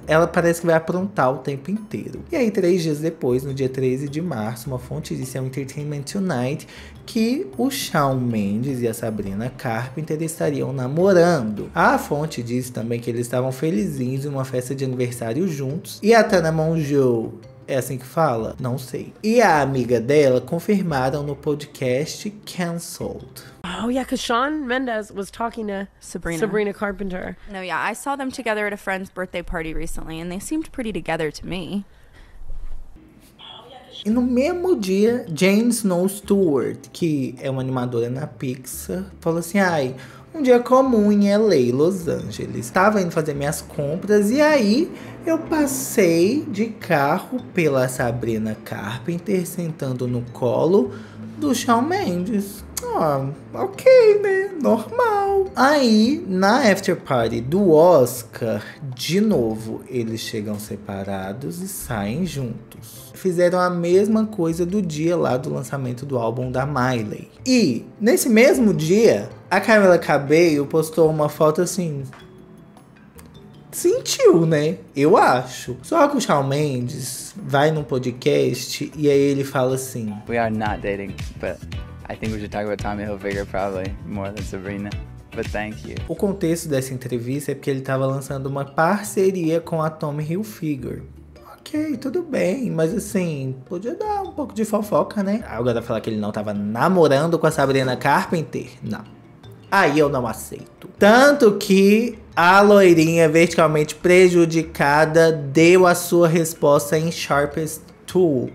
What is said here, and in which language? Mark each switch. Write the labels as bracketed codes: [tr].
[pt] Ela parece que vai aprontar o tempo inteiro. E aí, 3 dias depois, no dia 13 de março, uma fonte disse ao Entertainment Tonight que o Shawn Mendes e a Sabrina Carpenter estariam namorando. A fonte disse também que eles estavam felizinhos em uma festa de aniversário juntos. E a Tana Mongeau, é assim que fala? Não sei. E a amiga dela confirmaram no podcast Cancelled. [en] Oh yeah, because Shawn Mendes was talking to Sabrina Carpenter. No, yeah, I saw them together at a friend's birthday party recently, and they seemed pretty together to me. [pt] E no mesmo dia, Jane Snow Stewart, que é uma animadora na Pixar, falou assim, ai, um dia comum em LA, Los Angeles. Estava indo fazer minhas compras, e aí eu passei de carro pela Sabrina Carpenter, sentando no colo do Shawn Mendes. Ah, ok, né? Normal. Aí, na after party do Oscar, de novo, eles chegam separados e saem juntos. Fizeram a mesma coisa do dia lá do lançamento do álbum da Miley. E, nesse mesmo dia, a Camila Cabello postou uma foto assim... Sentiu, né? Eu acho. Só que o Shawn Mendes vai num podcast e aí ele fala assim... [en] We are not dating, but... I think we should talk about Tommy Hilfiger probably more than Sabrina, but thank you. [pt] O contexto dessa entrevista é porque ele tava lançando uma parceria com a Tommy Hilfiger. Ok, tudo bem, mas assim, podia dar um pouco de fofoca, né? Agora falar que ele não tava namorando com a Sabrina Carpenter? Não. Aí eu não aceito. Tanto que a loirinha verticalmente prejudicada deu a sua resposta em Sharpest Tool.